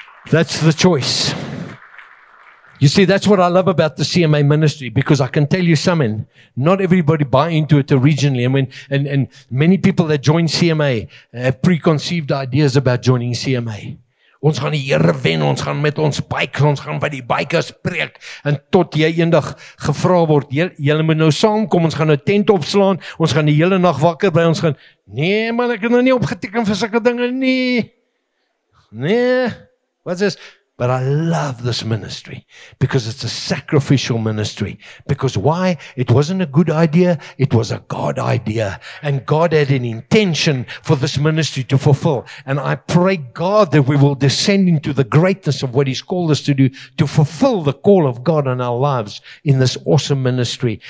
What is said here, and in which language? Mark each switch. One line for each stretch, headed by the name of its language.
English: That's the choice. You see, that's what I love about the CMA ministry, because I can tell you something. Not everybody buy into it originally. I mean, and many people that join CMA have preconceived ideas about joining CMA.
Afrikaans: Ons gaan die Here wen, ons gaan met ons bikes, ons gaan by die bikers preek, en tot jy eendag gevra word, jy moet nou saamkom, ons gaan nou tent opslaan, ons gaan die hele nag wakker bly, ons gaan, nee man, ek het nou nie opgeteken vir sulke dinge nie. Nee, wat is this?
English: But I love this ministry, because it's a sacrificial ministry. Because why? It wasn't a good idea, it was a God idea. And God had an intention for this ministry to fulfill. And I pray God that we will descend into the greatness of what He's called us to do, to fulfill the call of God on our lives in this awesome ministry.